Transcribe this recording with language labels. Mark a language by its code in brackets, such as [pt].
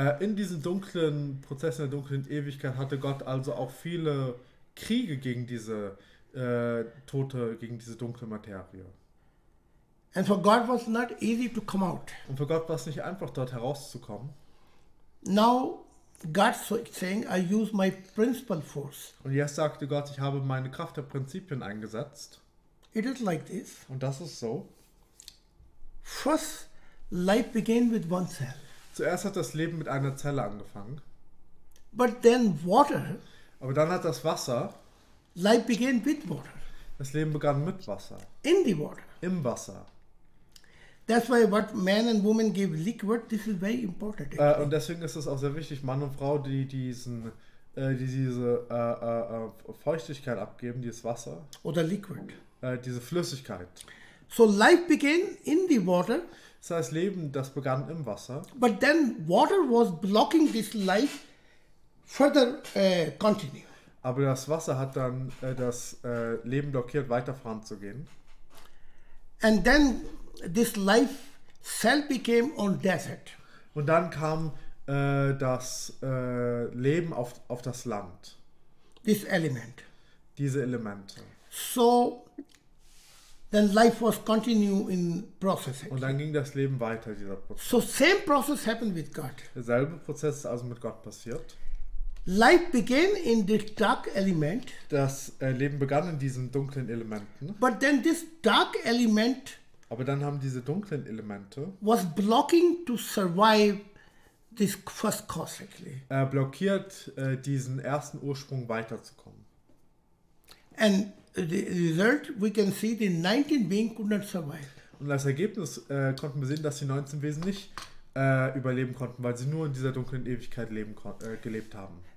[de] In diesem dunklen Prozess, in der dunklen Ewigkeit, hatte Gott also auch viele Kriege gegen diese tote, gegen diese dunkle Materie. [en] And for God was not easy to come out. [de] Und für Gott war es nicht einfach, dort herauszukommen. [en] Now God saying, I use my principal force. [de] Und jetzt sagte Gott, ich habe meine Kraft der Prinzipien eingesetzt. [en] It is like this. [de] Und das ist so. [en] First, life began with one cell. [de] Zuerst hat das Leben mit einer Zelle angefangen. [en] But then water. [de] Aber dann hat das Wasser. [en] Life began with water. [de] Das Leben begann mit Wasser. [en] In the water. [de] Im Wasser. [en] That's why what man and woman give liquid, this is very important. [de] Und deswegen ist es auch sehr wichtig, Mann und Frau, die diese Feuchtigkeit abgeben, dieses Wasser. Oder liquid. Diese Flüssigkeit. [en] So life began in the water. [de] Das heißt, Leben, das begann im Wasser. [en] But then water was blocking this life further continue. [de] Aber das Wasser hat dann Leben blockiert, weiter voranzugehen. [en] And then this life cell became on desert. [de] Und dann kam das Leben auf das Land. [en] This element. [de] Diese Elemente. [en] So then life was continue in processing. [de] Und dann ging das Leben weiter, dieser Prozess. [en] So same process happened with God. [de] Derselbe Prozess ist also mit Gott passiert. [en] Life began in this dark element. [de] Das Leben begann in diesen dunklen Elementen. [en] But then this dark element. [de] Aber dann haben diese dunklen Elemente [en] was blocking to survive this first cause, actually. [de] Blockiert diesen ersten Ursprung weiterzukommen. [en] And the result we can see the 19 being could not survive. [de] Und als Ergebnis konnten wir sehen, dass die 19 Wesen nicht überleben konnten, weil sie nur in dieser dunklen Ewigkeit gelebt haben.